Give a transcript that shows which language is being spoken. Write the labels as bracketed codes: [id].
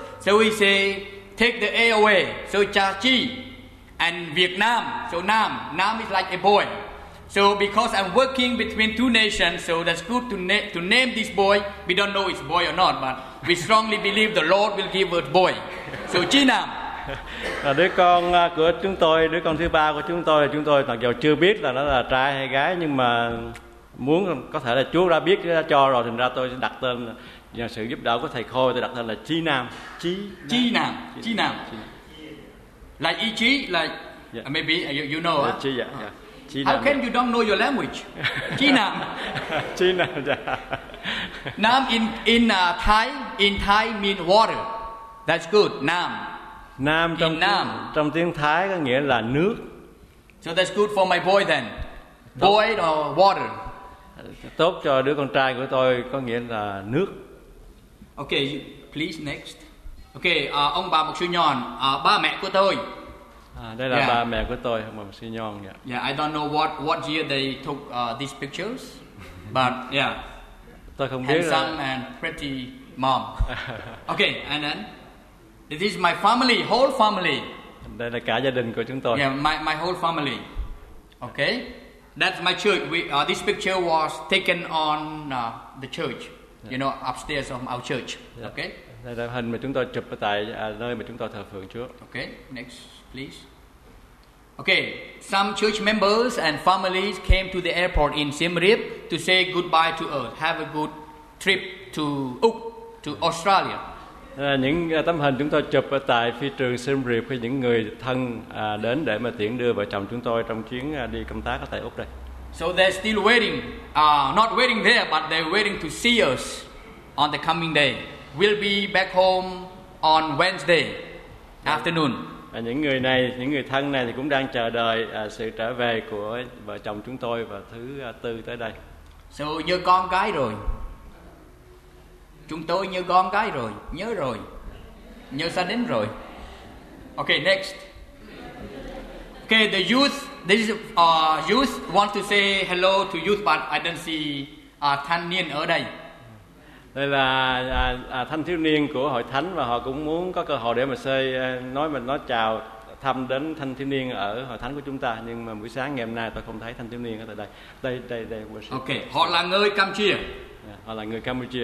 [en] So we say take the A away. So cha Chi. And Vietnam. So Nam is like a boy. So because I'm working between two nations, so that's good to name this boy. We don't know it's boy or not, but we strongly believe the Lord will give a boy. So Chi Nam. [vi] Đứa con của chúng tôi, đứa con thứ ba của chúng tôi, là chúng tôi mặc dù chưa biết là nó là trai hay gái, nhưng mà muốn có thể là Chúa đã biết đã cho rồi, thành ra tôi sẽ đặt tên nhờ sự giúp đỡ của thầy Khôi, tôi đặt tên là Chi Nam. [en] Chi Nam. [vi] Là ý chí, là [en] yeah. Maybe you know. Yeah, Chi, yeah. Chi Nam. How can you don't know your language? Chi Nam. Chi Nam. Nam in Thai mean water. That's good. Nam. [vi] Nam trong Nam. Trong tiếng Thái có nghĩa là nước. [en] So that's good for my boy then. Boy or water. [vi] Tốt cho đứa con trai của tôi có nghĩa là nước. [en] Okay, please next. [vi] Okay, ông bà Mục Sư Nhon, ba mẹ của tôi. Đây là ba mẹ của tôi, ông bà Mục Sư Nhon. [en] Yeah, I don't know what year they took these pictures, but yeah. [vi] Tôi không [en] handsome [vi] biết. [en] Handsome and pretty mom. Okay, and then this is my family, whole family. Đây là cả gia đình của chúng tôi. Yeah, my whole family. Okay. That's my church. This picture was taken on the church, you know, upstairs of our church. Yeah. Okay. [vi] Đây là hình mà chúng tôi chụp ở tại nơi mà chúng tôi thờ phượng Chúa. [en] Okay. Next, please. Okay. Some church members and families came to the airport in Siem Reap to say goodbye to us. Have a good trip to Úc, to Australia. [vi] Những tấm hình chúng tôi chụp ở tại phi trường Siem Reap với những người thân đến để mà tiễn đưa vợ chồng chúng tôi trong chuyến đi công tác ở tại Úc đây. [en] So they're still waiting, not waiting there, but they're waiting to see us on the coming day. We'll be back home on Wednesday afternoon. [vi] Những người này, những người thân này thì cũng đang chờ đợi sự trở về của vợ chồng chúng tôi vào thứ tư tới đây. So như con cái rồi. Chúng tôi như con cái rồi, nhớ rồi, nhớ xa đến rồi. [en] Okay, next. Okay, the youth, this is, youth want to say hello to youth, but I don't see [vi] thanh niên ở đây. Đây là thanh thiếu niên của hội thánh và họ cũng muốn có cơ hội để mà nói chào thăm đến thanh thiếu niên ở hội thánh của chúng ta, nhưng mà buổi sáng ngày hôm nay tôi không thấy thanh thiếu niên ở tại đây. Đây. Okay, họ là người Campuchia. Họ là người Campuchia.